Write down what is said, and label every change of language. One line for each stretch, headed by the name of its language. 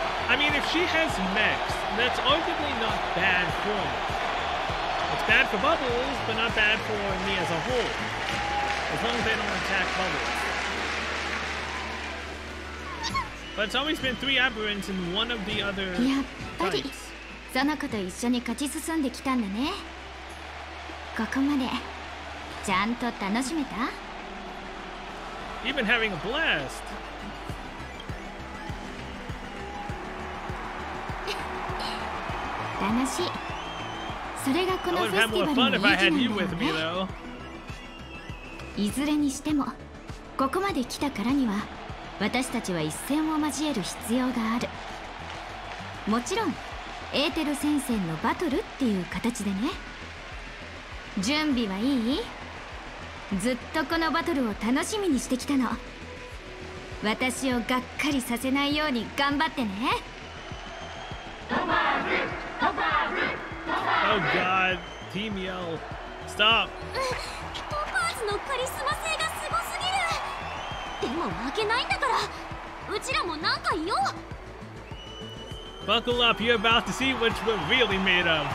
English: I mean, if she has mechs, that's arguably not bad for me. It's bad for Bubbles, but not bad for me as a whole. As long as they don't attack Bubbles. But it's always been three aberrants in one of the other fights.
Japanese: Zanako と一緒に勝ち進んできたんだね。ここまで、ちゃんと楽しめた?
English: You've been having a blast.
Japanese: Danashi. それがこのフェスティバルの意義なんだよね。
English: I would have had more fun if I had you with me, though.
Japanese: いずれにしても、ここまで来たからには、私たちは一戦を交える必要がある。もちろん、エーテル戦線のバトルっていう形でね。準備はいい?ずっとこのバトルを楽しみにしてきたの。私をがっかりさせないように頑張ってね。
English: Oh god, Team Yell, stop!
Japanese: トパーズのカリスマ性がすごすぎる。でも負けないんだから、うちらもなんか言おう。
English: Buckle up, you're about to see what we're really made of.